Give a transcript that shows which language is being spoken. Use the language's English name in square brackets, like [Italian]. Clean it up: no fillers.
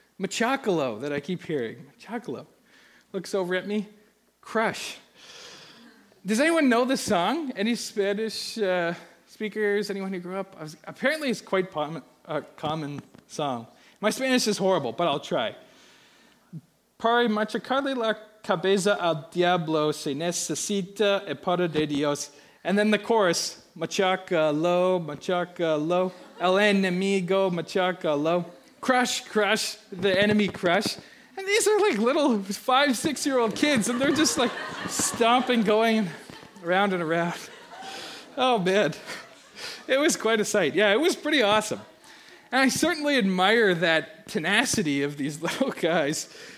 [English] Machacolo that I keep hearing. Machacolo. Looks over at me. Crush. Does anyone know this song? Any Spanish speakers? Anyone who grew up? Apparently it's quite a common song. My Spanish is horrible, but I'll try. [Spanish] Para machacarle la cabeza al diablo se necesita el poder de Dios. [English] And then the chorus. [Spanish] Machacalo, machacalo, el enemigo, machacalo. [English] Crush, crush, the enemy crush. And these are like little 5-6-year-old kids, and they're just like stomping, going around and around. Oh, man. It was quite a sight. Yeah, it was pretty awesome. And I certainly admire that tenacity of these little guys.